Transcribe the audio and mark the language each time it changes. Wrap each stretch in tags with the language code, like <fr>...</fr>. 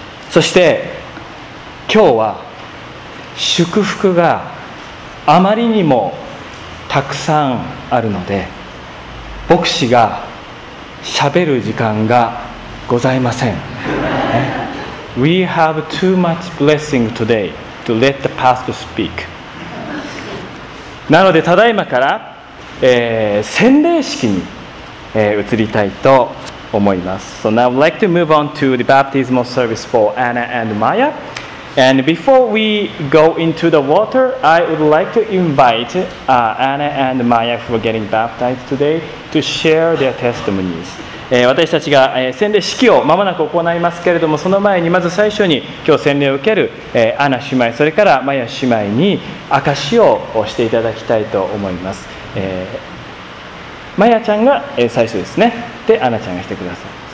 <ja>そして今日は祝福があまりにもたくさんあるので、牧師がしゃべる時間がございません。</ja> <en>We have too much blessing today to let the pastor speak.</en> <ja>なのでただいまから、洗礼式に移りたいと思います。</ja> <en>So now I'd like to move on to the baptismal service for Anna and Maya. And before we go into the water, I would like to invite Anna and Maya, who are getting baptized today, to share their testimonies.</en> <ja>私たちが洗礼式をまもなく行いますけれども、その前にまず最初に今日洗礼を受けるアナ姉妹、それからマヤ姉妹に証しをしていただきたいと思います。マヤちゃんが最初ですね。で、アナちゃんがしてください。</ja>